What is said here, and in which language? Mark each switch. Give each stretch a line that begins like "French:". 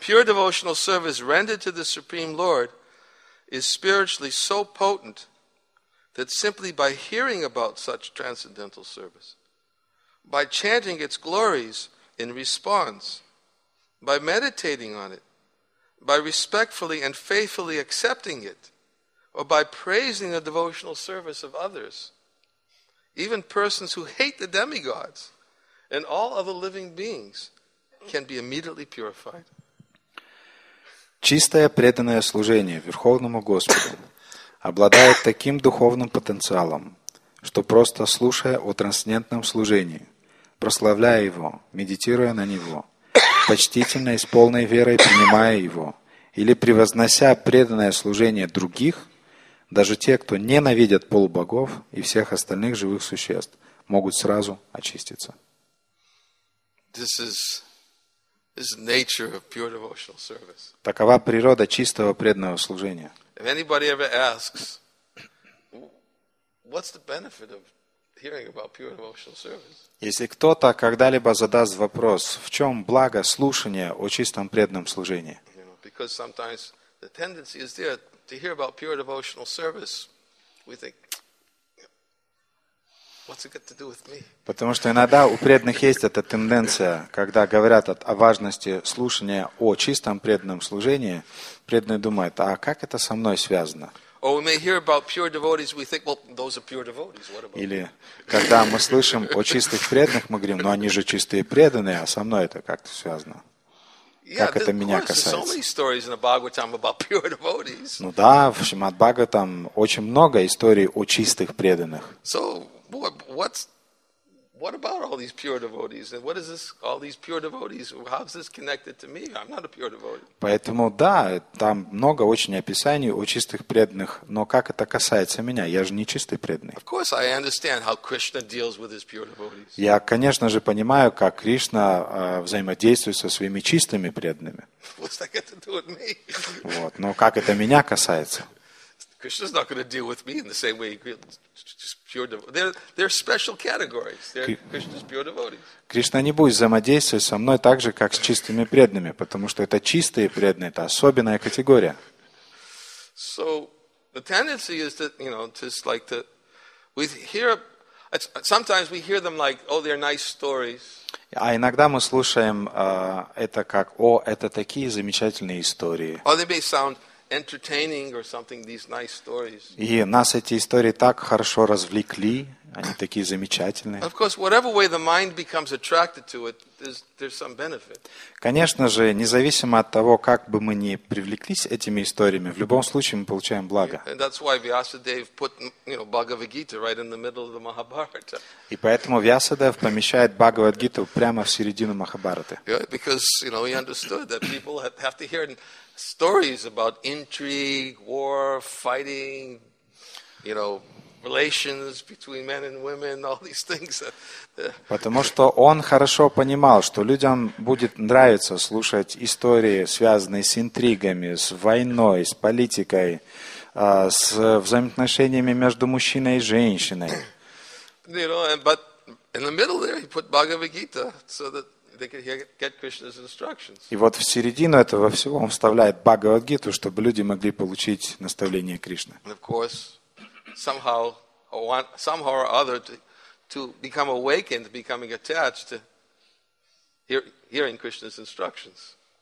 English: Pure devotional service rendered to the Supreme Lord is spiritually so potent that simply by hearing about such transcendental service, by chanting its glories in response, by meditating on it, by respectfully and faithfully accepting it, or by praising the devotional service of others, even persons who hate the demigods and all other living beings can be immediately purified.
Russian: Чистое преданное служение Верховному Господу обладает таким духовным потенциалом, что просто слушая о трансцендентном служении, прославляя его, медитируя на него, почтительно и с полной верой принимая его, или превознося преданное служение других, даже те, кто ненавидят полубогов и всех остальных живых существ, могут сразу очиститься.
English: This is nature of pure devotional service.
Russian: Такова природа чистого преданного служения.
English: If anybody ever asks, what's the benefit of hearing about pure devotional service?
Russian: Если кто-то когда-либо задаст вопрос, в чем благо слушания о чистом преданном служении?
English: You know, because sometimes the tendency is there to hear about pure devotional service, we think, what's it got to do with me?
Russian: Потому что иногда у преданных есть эта тенденция, когда говорят о важности слушания о чистом преданном служении, преданные думают, а как это со мной связано?
English: Or we may hear about pure devotees, we think, well, those are pure devotees. What about?
Russian: Или когда мы слышим о чистых преданных, мы говорим, ну они же чистые преданные, а со мной это как-то связано? Как это меня касается? Ну да, в Шримад-Бхагаватам очень много историй о чистых преданных.
English: What about all these pure devotees? And what is this, all these pure devotees? How is this connected to me? I'm not a pure devotee.
Russian: Поэтому, да, там много очень описаний о чистых преданных, но как это касается меня? Я же не чистый преданный.
English: Of course, I understand how Krishna deals with his pure devotees.
Russian: Я, конечно же, понимаю, как Кришна взаимодействует со своими чистыми преданными.
English: What's that got to do with me?
Russian: Вот, но как это меня касается?
English: Krishna's not going to deal with me in the same way. Just pure devotees. They're special categories. They're Krishna's pure devotees.
Russian: Кришна не будет взаимодействовать со мной так же, как с чистыми преданными, потому что это чистые преданные, это особенная категория.
English: So the tendency is that, you know, just like to we hear. Sometimes we hear them like, oh, they're nice stories.
Russian: А иногда мы слушаем это как, о, это такие замечательные истории.
English: Or they may sound entertaining or something, these nice stories.
Russian: И нас эти истории так хорошо развлекли, они такие замечательные.
English: Of course, whatever way the mind becomes attracted to it, there's some benefit.
Russian: Конечно же, независимо от того, как бы мы ни привлеклись этими историями, в любом случае мы получаем благо.
English: And that's why Vyasadev put, you know, Bhagavad Gita right in the middle of the Mahabharata.
Russian: И поэтому Вьясадев помещает Бхагавад Гиту прямо в середину Махабхараты.
English: Yeah, because, you know, he understood that people have to hear stories about intrigue, war, fighting, you know, relations between men and women, all these things.
Russian: Потому что он хорошо понимал, что людям будет нравиться слушать истории, связанные с интригами, с войной, с политикой, с взаимоотношениями между мужчиной и женщиной.
English: You know, but in the middle there he put Bhagavad Gita so that they could get Krishna's instructions.
Russian: И вот в середину этого всего он вставляет Бхагавад Гиту, чтобы люди могли получить наставление Кришны.
English: And of course, somehow or other to become awakened, becoming attached to hearing Krishna's instructions.